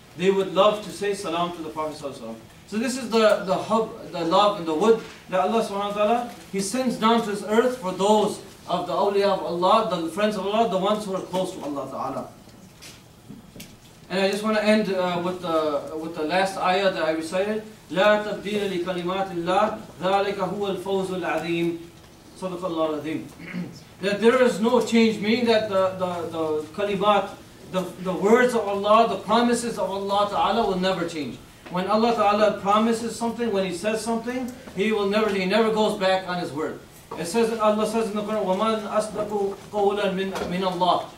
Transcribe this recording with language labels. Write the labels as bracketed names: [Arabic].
[English] They would love to say salam to the Prophet ﷺ. So this is the hub, the love and the wood that Allah subhanahu wa ta'ala, he sends down to this earth for those of the awliya of Allah, the friends of Allah, the ones who are close to Allah Ta'ala. And I just want to end with the last ayah that I recited. [Arabic] لا تبديل لكلمات الله ذلك هو الفوز العظيم صدق الله العظيم. [English] That there is no change, meaning that the kalimat, the words of Allah, the promises of Allah Ta'ala will never change. When Allah Ta'ala promises something, when He says something, He never goes back on His word. It says that Allah says in the Quran, [Arabic] وَمَنْ أَصْدَقُ قَوْلًا مِنْ اللَّهِ.